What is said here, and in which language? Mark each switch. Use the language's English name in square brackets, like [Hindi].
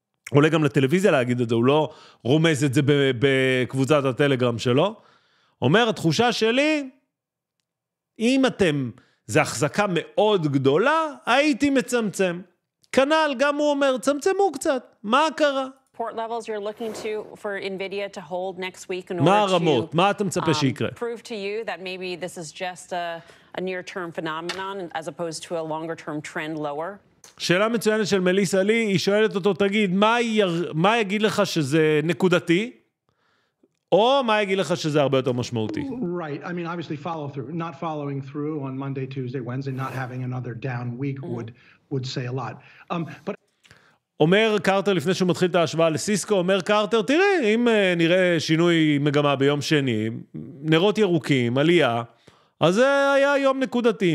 [Hebrew] עולה גם לטלוויזיה להגיד את זה, הוא לא רומז את זה בקבוצת הטלגרם שלו, אומר, התחושה שלי, אם אתם, זה החזקה מאוד גדולה, הייתי מצמצם. כנל, גם הוא אומר, צמצמו קצת, מה קרה? [English] Port levels you're looking to for Nvidia to hold next week in order [Hebrew] הרמות, [English] to [Hebrew] מה אתה מצפה שיקרה? [English] Prove to you that maybe this is just a near term phenomenon as opposed to a longer term trend lower. [Hebrew] שאלה מצוינת של מליסה לי, היא שואלת אותו, תגיד, מה יגיד לך שזה נקודתי? או מה יגיד לך שזה הרבה יותר משמעותי? [English] Right, I mean obviously follow through, not following through on Monday, Tuesday, Wednesday, not having another down week would say a lot. But [Hebrew] אומר קארטר, לפני שהוא מתחיל את ההשוואה לסיסקו, אומר קארטר, תראה, אם נראה שינוי מגמה ביום שני, נרות ירוקים, עלייה, אז זה היה יום נקודתי.